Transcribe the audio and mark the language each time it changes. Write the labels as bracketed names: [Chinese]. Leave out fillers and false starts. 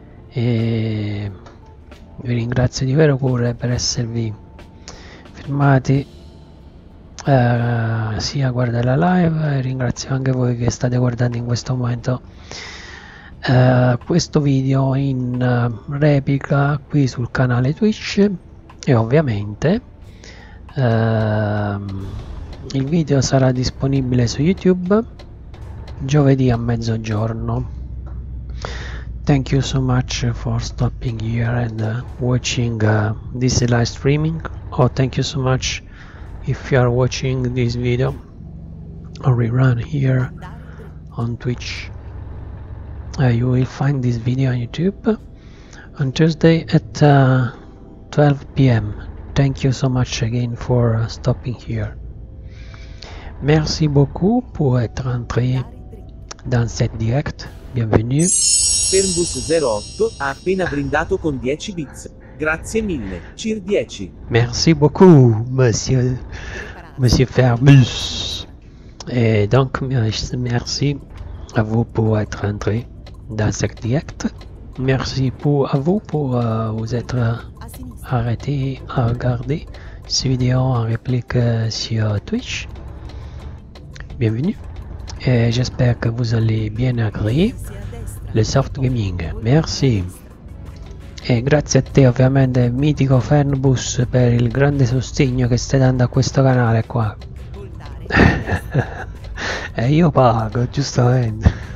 [Italian] E vi ringrazio di vero cuore per esservi fermati sia a guardare la live, e ringrazio anche voi che state guardando in questo momento questo video in replica qui sul canale Twitch. E ovviamente il video sarà disponibile su YouTube giovedì a mezzogiorno. [English] Thank you so much for stopping here and watching this live streaming. Oh, thank you so much if you are watching this video or rerun here on Twitch. You will find this video on YouTube on Thursday at 12 p.m. Thank you so much again for stopping here. [French] Merci beaucoup pour être entré dans cette direct. Bienvenue. [Italian] Fernbus 08 ha appena brindato con 10 bits. Grazie mille, Cir 10. [French] Merci beaucoup, monsieur Fernbus. Et donc, merci à vous pour être entré dans ce direct. Merci à vous pour vous être arrêté à regarder cette vidéo en réplique sur Twitch. Bienvenue. Et j'espère que vous allez bien agréer le soft gaming. Merci. [Italian] E grazie a te ovviamente, mitico Fernbus, per il grande sostegno che stai dando a questo canale qua. E io pago, giustamente.